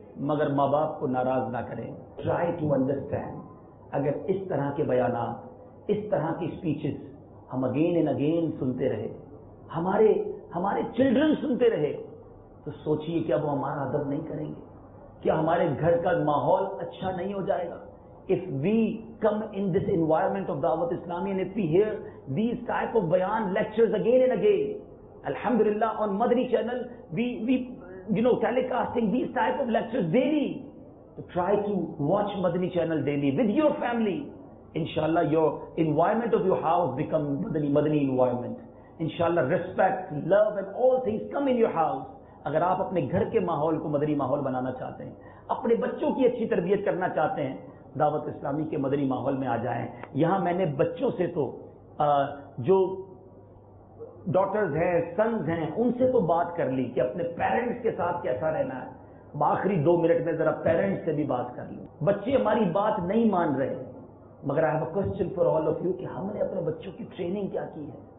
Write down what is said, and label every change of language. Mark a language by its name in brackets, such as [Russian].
[Urdu] مگر ماں باپ کو ناراض نہ کریں۔ [English] Try to understand, [Urdu] اگر اس طرح کے بیانات، اس طرح کی اسپیچز ہم [English] again and again [Urdu] سنتے رہے، ہمارے چلڈرن سنتے رہے، تو سوچئے کیا وہ ہمارا ادب نہیں کریں گے، کیا ہمارے گھر کا ماحول اچھا نہیں ہو جائے گا۔ [English] If we come in this environment of Dawat Islami and if we hear these type of بیان lectures again and again, الحمد للہ on Madani channel we telecasting these type of lectures daily, تو try to watch Madani channel daily with your family, انشاءاللہ your environment of your house become madani environment. انشاءاللہ respect, love and all things come in your house. [Urdu] اگر آپ اپنے گھر کے ماحول کو مدنی ماحول بنانا چاہتے ہیں، اپنے بچوں کی اچھی تربیت کرنا چاہتے ہیں، دعوت اسلامی کے مدنی ماحول میں آ جائیں۔ یہاں میں نے بچوں سے تو جو ڈاٹرز ہیں، سنز ہیں، ان سے تو بات کر لی کہ اپنے پیرنٹس کے ساتھ کیسا رہنا ہے۔ آخری دو منٹ میں ذرا پیرنٹس سے بھی بات کر لوں، بچے ہماری بات نہیں مان رہے، مگر [English] I have a question for all of you, [Urdu] کہ ہم نے اپنے بچوں کی ٹریننگ کیا کی ہے،